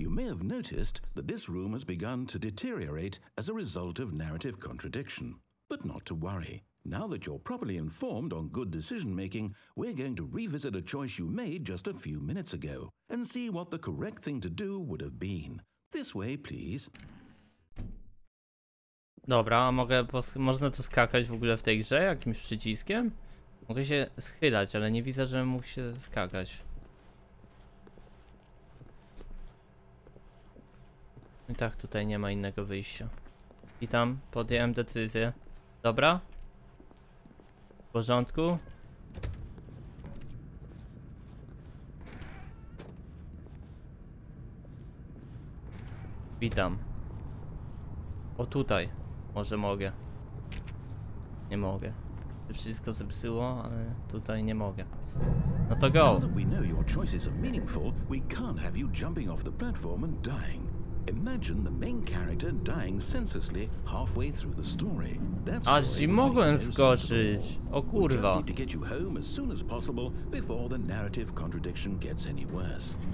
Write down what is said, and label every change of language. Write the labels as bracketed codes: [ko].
[en] You may have noticed that this room has begun to deteriorate as a result of narrative contradiction. But not to worry. Now that you're properly informed on good decision-making, we're going to revisit a choice you made just a few minutes ago and see what the correct thing to do would have been. This way, please. [pl] Dobra, a mogę można tu skakać w ogóle w tej grze jakimś przyciskiem? Mogę się schylać, ale nie widzę, żebym mógł się skakać. I tak tutaj nie ma innego wyjścia. I tam podjąłem decyzję. Dobra? W porządku? Witam. O tutaj. Może mogę. Nie mogę. Wszystko zepsuło, ale tutaj nie mogę. No to go. [en] Now that we know your choices are meaningful, we can't have you jumping off the platform and dying. Imagine the main character dying senselessly halfway through the story. [pl] Aż i mogłem skoczyć. O kurwa. [en] We just need to get you home as soon as possible before the narrative contradiction gets any worse.